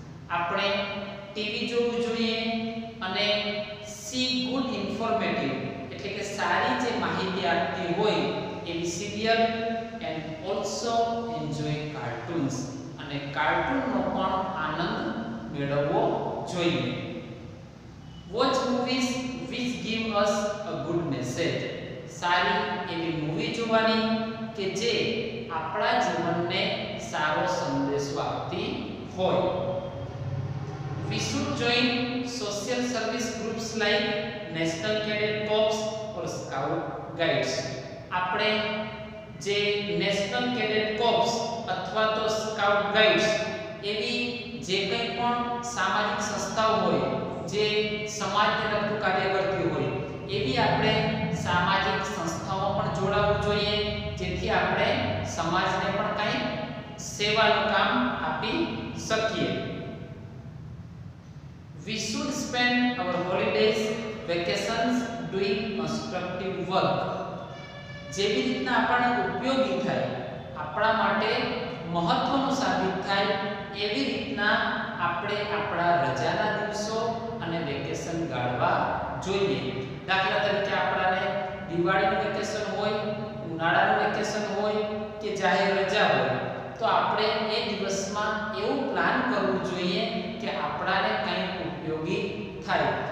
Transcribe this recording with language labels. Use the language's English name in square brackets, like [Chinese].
[Gujarati] આપણે ટીવી જોવું જોઈએ અને [English] see good informative [Gujarati] એટલે કે સારી જે માહિતી આપતી હોય એવી serial [English] and also enjoy cartoons, [Gujarati] અને કાર્ટૂનનો પણ આનંદ મેળવવો જોઈએ. [English] Watch movies which give us a good message. [Gujarati] સારી એવી મૂવી જોવાની કે જે આપણા જીવનને સારો સંદેશ આપતી હોય. [English] We should join social service groups like National Cadet Corps or Scout Guides. [Gujarati] આપણે જે National Cadet Corps અથવા તો Scout Guides એવી જે કંઈ પણ સામાજિક સંસ્થાઓ હોય, જે સમાજ તરફ કાર્ય કરતી હોય, એવી આપણે સામાજિક સંસ્થાઓમાં પણ જોડાવું જોઈએ જેથી આપણે સમાજને પણ કંઈક સેવાનું કામ આપી શકીએ. [English] We should spend our holidays, vacations doing constructive work. [Gujarati] જેવી રીતના આપણને ઉપયોગી થાય, આપણા માટે મહત્વનું સાબિત થાય એવી રીતના આપણે આપણા રજાના દિવસો અને વેકેશન ગાળવા જોઈએ. દાખલા તરીકે આપણાને દિવાળીનું વેકેશન હોય, ઉનાળાનું વેકેશન હોય કે જાહેર રજા હોય, તો આપણે એ દિવસમાં એવું પ્લાન કરવું જોઈએ કે આપણાને કંઈક ઉપયોગી થાય.